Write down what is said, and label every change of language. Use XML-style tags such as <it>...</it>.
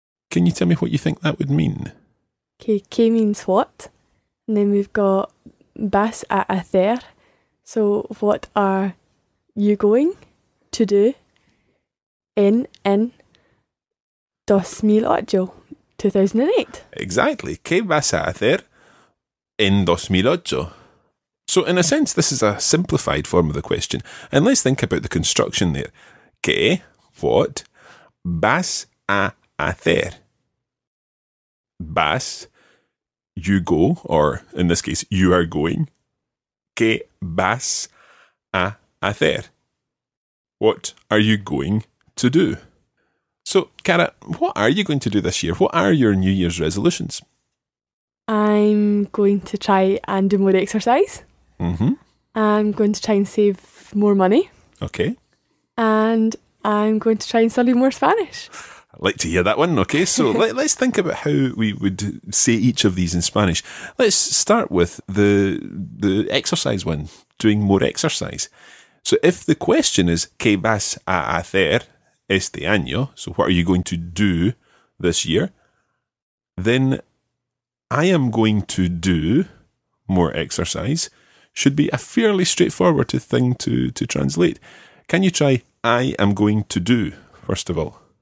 <en>Can you tell me what you think that would mean? Okay, ¿qué means what? And then we've got</en> <es>vas a hacer.</es> <en>So what are you going to do in 2008?</en> <es>Exactly. ¿Qué vas a hacer en 2008?</es> <en>So in a sense, this is a simplified form of the question. And let's think about the construction there.</en> <es>¿Qué? What? ¿Vas a hacer? ¿Vas?</es> <en>You go, or in this case, you are going.</en> <es>¿Qué vas a hacer?</es> <en>What are you going to do? So, Cara, what are you going to do this year? What are your New Year's resolutions? I'm going to try and do more exercise. Mm-hmm. I'm going to try and save more money. Okay. And I'm going to try and study more Spanish. I'd like to hear that one. Okay, so let's think about how we would say each of these in Spanish. Let's start with the exercise one, doing more exercise. So if the question is,</en> <es>¿qué vas a hacer este año?</es> <en>So what are you going to do this year? Then I am going to do more exercise should be a fairly straightforward thing to translate. Can you try I am going to do, first of all?</en>